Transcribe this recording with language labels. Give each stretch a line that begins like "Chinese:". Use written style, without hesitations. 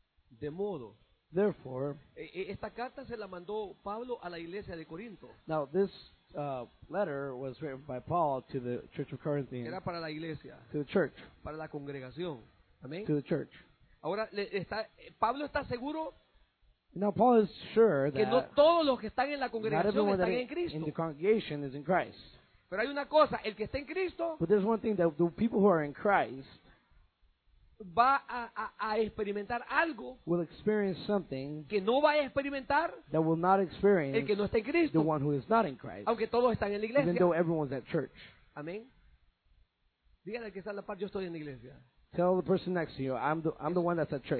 Spanish: De modo.
English: Therefore.
Spanish: Esta carta se la mandó Pablo a la iglesia de Corinto.
English: Now this letter was written by Paul to the church of Corinth.
Spanish: Era para la iglesia.
English: To the church.
Spanish: Para la congregación. Amen.
English: To the church.
Spanish: Ahora está Pablo está seguro.
English: Now Paul is sure that
Spanish: que no todos los que están en la congregación están en Cristo.
English: In the congregation is in Christ.
Spanish: Pero hay una cosa, el que está en Cristo.
English: But there's one thing that the people who are in Christ
Spanish: va a experimentar algo.
English: Will experience something
Spanish: que no va a experimentar.
English: That will not experience
Spanish: el que no está en Cristo.
English: The one who is not in Christ.
Spanish: Aunque todos están en la iglesia.
English: Even though everyone's at church.
Spanish: Amen. Dígale que está a la par, yo estoy en la iglesia.
English: Tell the person next to you, I'm the one that's at church.